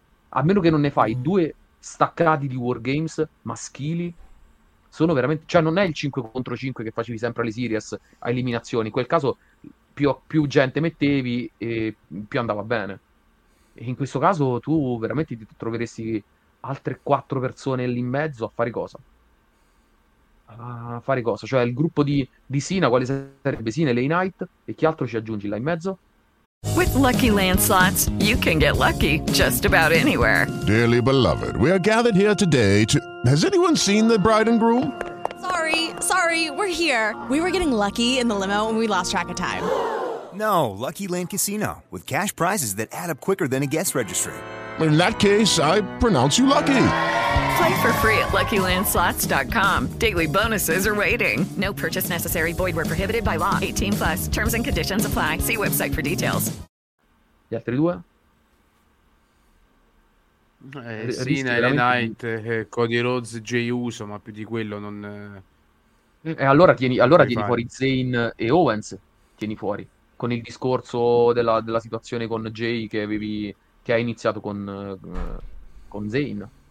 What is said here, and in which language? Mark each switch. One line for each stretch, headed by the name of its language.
Italian: A meno che non ne fai due staccati di Wargames maschili, sono veramente, cioè non è il 5 contro 5 che facevi sempre alle series a eliminazioni. In quel caso più gente mettevi e più andava bene. E in questo caso tu veramente ti troveresti altre 4 persone lì in mezzo a fare cosa? A fare cosa? Cioè il gruppo di Sina, quale sarebbe? Sina e LA Knight, e chi altro ci aggiungi là in mezzo?
English: With Lucky Land Slots, you can get lucky just about anywhere. Dearly beloved, we are gathered here today to... Has anyone seen the bride and groom? Sorry, we're here. We were getting lucky in the limo and we lost track of time. No, Lucky Land Casino, with cash prizes that add up quicker than a guest registry. In that case, I pronounce you lucky. Play for free at LuckyLandSlots.com. Daily bonuses are waiting. No purchase necessary. Void where prohibited by law. 18 plus. Terms and conditions apply. See website for details.
Italian: Gli altri due? Sina, LA Knight, Cody Rhodes, Jey Uso, ma più di quello non... Allora tieni fuori Zayn e Owens. Tieni fuori. Con il discorso della situazione con Jey che ha iniziato con Zayn.